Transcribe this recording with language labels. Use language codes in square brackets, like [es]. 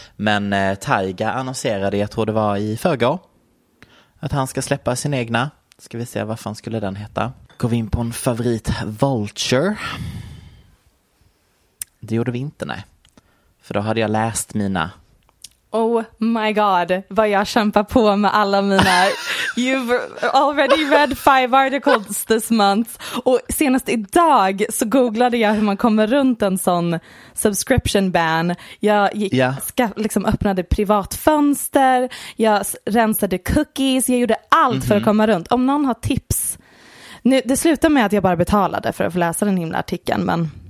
[sv] Men Tyga annonserade, jag tror det var i förrgår, att han ska släppa sin egna. Ska vi se, vad fan skulle den heta? Går vi in på en favorit, Vulture? Det gjorde vi inte, nej. För då hade jag läst mina... [en] Oh my god, [sv] vad jag kämpar på med alla mina... [en] You've already read 5 articles this month. [sv] Och senast idag så googlade jag hur man kommer runt en sån subscription ban. Jag gick, liksom öppnade privatfönster, jag rensade cookies, jag gjorde allt för att komma runt. Om någon har tips... Nu, det slutar med att jag bara betalade för att få läsa den himla artikeln, men...